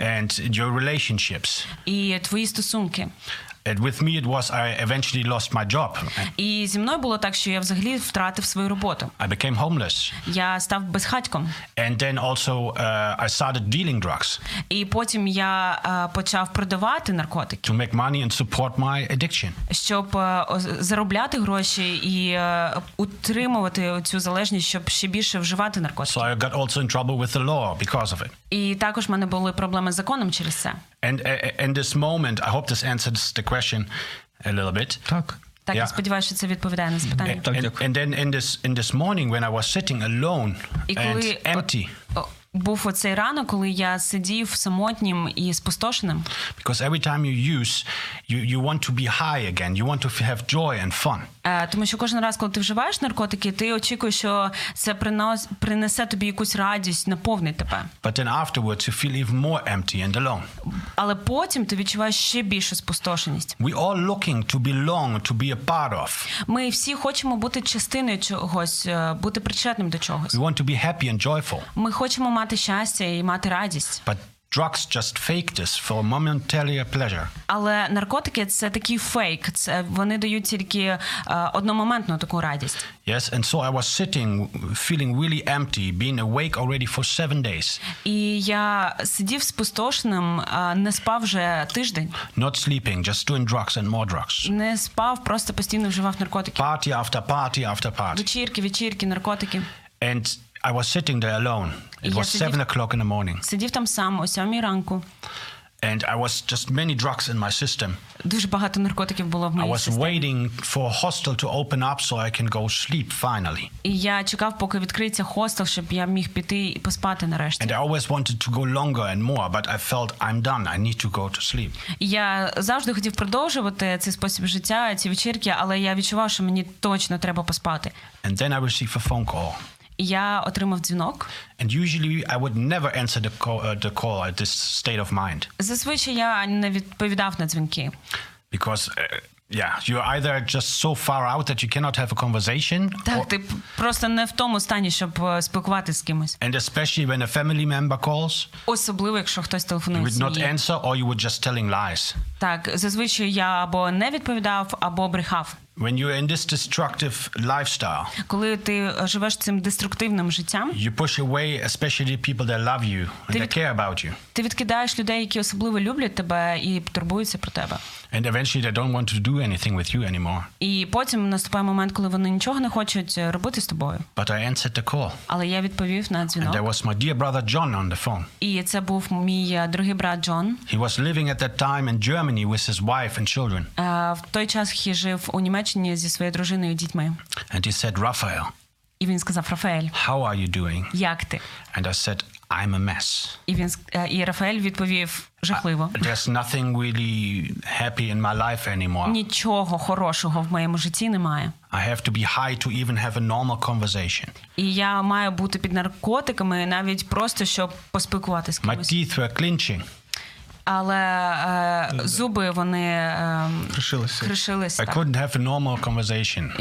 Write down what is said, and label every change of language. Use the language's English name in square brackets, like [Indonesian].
[English] And your relationships. [Ukrainian] І твої стосунки. [English] And with me it was I eventually lost my job. [Ukrainian] І зі мною було так, що я взагалі втратив свою роботу. [English] I became homeless. [Ukrainian] Я став безхатьком. [English] And then also I started dealing drugs. [Ukrainian] І потім я почав продавати наркотики. [English] To make money and support my addiction. [Ukrainian] Щоб заробляти гроші і утримувати цю залежність, щоб ще більше вживати наркотики. [English] So I got also in trouble with the law because of it. [Ukrainian] І також в мене були проблеми з законом через це. [English] And this moment, I hope this answers the question a little bit. [Ukrainian] Так. Так, я сподіваюся, що це відповідає на запитання. Так, дякую. [English] And then in this morning when I was sitting alone and empty. [Ukrainian] Був оцей ранок, коли я сидів самотнім і спустошеним. [English] Because every time you use, you want to be high again. You want to have joy and fun. [Ukrainian] Тому що кожен раз, коли ти вживаєш наркотики, ти очікуєш, що це принесе тобі якусь радість, наповнить тебе. [English] But then afterwards you feel even more empty and alone. [Ukrainian] Але потім ти відчуваєш ще більшу спустошеність. [English] We all looking to belong, to be a part of. [Ukrainian] Ми всі хочемо бути частиною чогось, бути причетним до чогось. [English] We want to be happy and joyful. [Ukrainian] Ми хочемо мати щастя і мати радість. [English] But drugs just fake this for momentary pleasure. [Ukrainian] Але наркотики це такий фейк, це вони дають тільки одномоментну таку радість. [English] Yes, and so I was sitting feeling really empty, being awake already for 7 days. [Ukrainian] І я сидів спустошеним, не спав вже тиждень. [English] Not sleeping, just doing drugs and more drugs. [Ukrainian] Не спав, просто постійно вживав наркотики. [English] Party after party after party. [Ukrainian] Вечірки, наркотики. [English] And I was sitting there alone. It was 7 o'clock in the morning. [Ukrainian] Сидів там сам о 7 ранку. [English] And I was just many drugs in my system. [Ukrainian] Дуже багато наркотиків було в моїй системі. [English] I was waiting for a hostel to open up so I can go sleep finally. [Ukrainian] І я чекав, поки відкриється хостел, щоб я міг піти і поспати нарешті. [English] And I always wanted to go longer and more, but I felt I'm done. I need to go to sleep. [Ukrainian] Я завжди хотів продовжувати цей спосіб життя, ці вечірки, але я відчував, що мені точно треба поспати. [English] And then I received a phone call. [Ukrainian] Я отримав дзвінок. [English] And usually I would never answer the call at this state of mind. [Ukrainian] Зазвичай я не відповідав на дзвінки. [English] Because you're either just so far out that you cannot have a conversation. [Ukrainian] Так, ти просто не в тому стані, щоб спілкуватися з кимось. [English] And especially when a family member calls. [Ukrainian] Особливо, якщо хтось телефонує. [English] You would not answer or you would just telling lies. [Ukrainian] Так, зазвичай я або не відповідав, або брехав. [English] When you're in this destructive lifestyle, [Ukrainian] коли ти живеш цим деструктивним життям, [English] you push away especially people that love you and that care about you. [Ukrainian] Ти відкидаєш людей, які особливо люблять тебе і турбуються про тебе. [English] And eventually they don't want to do anything with you anymore. [Ukrainian] І потім наступає момент, коли вони нічого не хочуть робити з тобою. [English] But I answered the call. [Ukrainian] Але я відповів на дзвінок. [English] And there was my dear brother John on the phone. [Ukrainian] І це був мій другий брат Джон. [English] He was living at that time in Germany with his wife and children. [Ukrainian] В той час він жив у Німеччині зі своєю дружиною і дітьми. [English] And he said, Raphael. [Ukrainian] І він сказав, Рафаель. [English] How are you doing? [Ukrainian] Як ти? [English] And I said, I'm a mess. [Ukrainian] І Рафаель відповів, жахливо. [English] There's nothing really happy in my life anymore. [Ukrainian] Нічого хорошого в моєму житті немає. [English] I have to be high to even have a normal conversation. [Ukrainian] І я маю бути під наркотиками навіть просто, щоб поспілкуватися з кимось. [English] My teeth were clenching. [Ukrainian] Але зуби вони кришилися. [English] I couldn't have a normal conversation.